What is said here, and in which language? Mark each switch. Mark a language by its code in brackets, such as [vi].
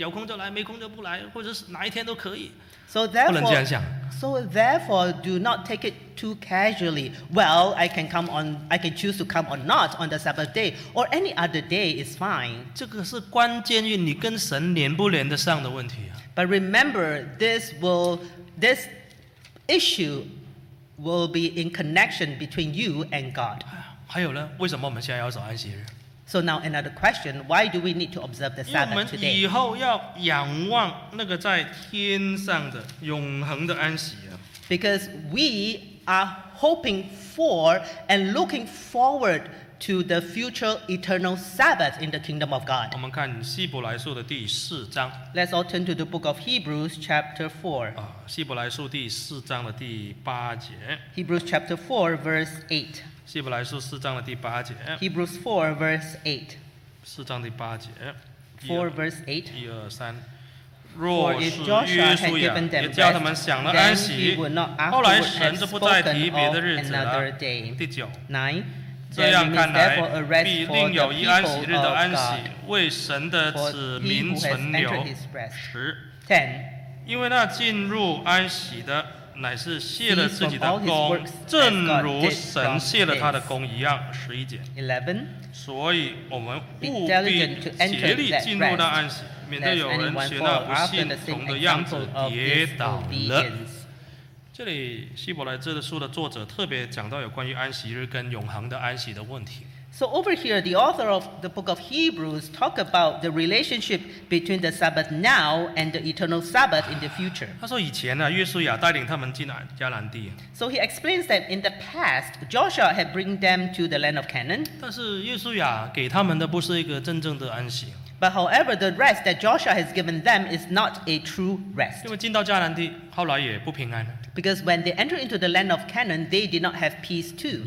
[zh] 所以你不要轻看说，哎呀，只是来不来而已，有空就来，没空就不来，或者是哪一天都可以。 [en] So therefore, do not take it too casually. Well, I can come on, I can choose to come or not on the Sabbath day, or any other day is fine. [zh] 这个是关键于你跟神连不连得上的问题啊。But [en] remember, this issue will be in connection between you and God. [zh] 还有呢，为什么我们现在要守安息日？ [en] So now another question, why do we need to observe the Sabbath today? [zh] 因为我们以后要仰望那个在天上的永恒的安息啊。 [en] Because we are hoping for and looking forward to the future eternal Sabbath in the kingdom of God. [zh] 我们看希伯来书的第四章。 [en] Let's all turn to the book of Hebrews chapter 4. [zh] 希伯来书第四章的第八节。 [en] Hebrews chapter 4 verse 8. [zh] 希伯来书四章的第八节。Hebrews [en] 4 verse 8. [zh] 四章第八节。 [en] 4 verse 8. [zh] 一二三。若是约书亚也叫他们享了安息，后来神就不再提别的日子了。第九。这样看来，必另有一安息日的安息，为神的子民存留时。10。因为那进入安息的 乃是卸了自己的功，正如神卸了他的功一样。11。所以我们务必竭力进入那安息，免得有人学那不信从的样子跌倒了。这里希伯来这书的作者特别讲到有关于安息日跟永恒的安息的问题。 [en] So over here, the author of the book of Hebrews talk about the relationship between the Sabbath now and the eternal Sabbath in the future. [zh] 他说以前呢，约书亚带领他们进迦南地。 [en] So he explains that in the past, Joshua had bring them to the land of Canaan. [zh] 但是约书亚给他们的不是一个真正的安息。 [en] But however, the rest that Joshua has given them is not a true rest. [zh] 因为进到迦南地，后来也不平安。Because [en] when they enter into the land of Canaan, they did not have peace too.